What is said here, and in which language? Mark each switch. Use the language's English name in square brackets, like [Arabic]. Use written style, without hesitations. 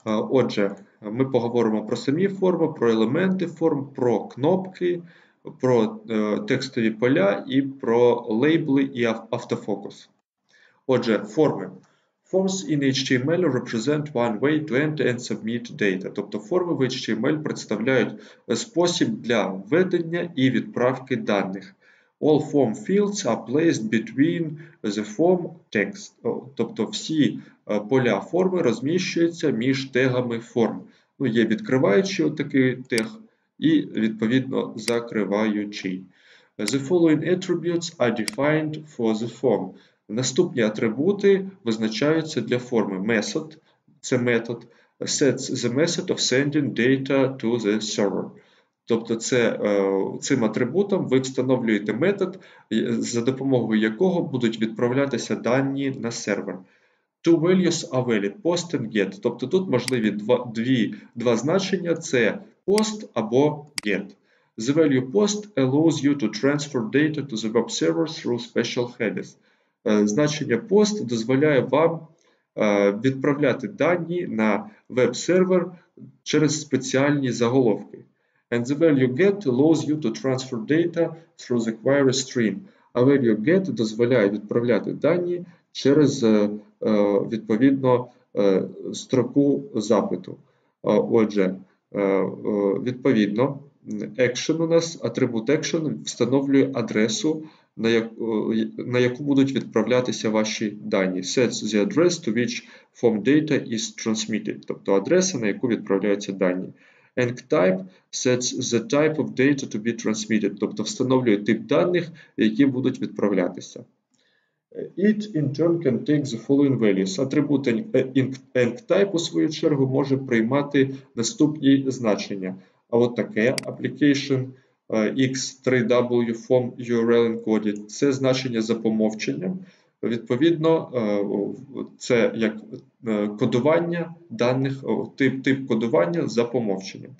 [Ukrainian] Отже, ми поговоримо про самі форми, про елементи форм, про кнопки, про текстові поля і про лейбли і автофокус. Отже, форми. [English] Forms in HTML represent one way to enter and submit data. [Ukrainian] Тобто форми в HTML представляють спосіб для введення і відправки даних. [English] All form fields are placed between the form text. [Ukrainian] Тобто всі поля форми розміщуються між тегами форм. Ну, є відкриваючий отакий тег і, відповідно, закриваючий. [English] The following attributes are defined for the form. [Ukrainian] Наступні атрибути визначаються для форми. Method – це метод. [English] Sets – the method of sending data to the server. [Ukrainian] Тобто цим атрибутом ви встановлюєте метод, за допомогою якого будуть відправлятися дані на сервер. [English] Two values are valid – post and get. [Ukrainian] Тобто тут можливі два значення – це post або get. [English] The value post allows you to transfer data to the web server through special headers. [Ukrainian] Значення post дозволяє вам відправляти дані на веб-сервер через спеціальні заголовки. [English] And the value get allows you to transfer data through the query stream. [Ukrainian] А value get дозволяє відправляти дані через відповідно строку запиту. Отже, відповідно, action у нас, атрибут action встановлює адресу, на яку будуть відправлятися ваші дані. [English] Sets the address to which form data is transmitted. [Ukrainian] Тобто адреса, на яку відправляються дані. [English] EncType sets the type of data to be transmitted. [Ukrainian] Тобто встановлює тип даних, які будуть відправлятися. [English] It in turn can take the following values. [Ukrainian] Атрибут EncType у свою чергу може приймати наступні значення. А от таке application X3W form URL encoded. Це значення за помовченням. Відповідно, це як кодування даних, тип кодування за помовченням.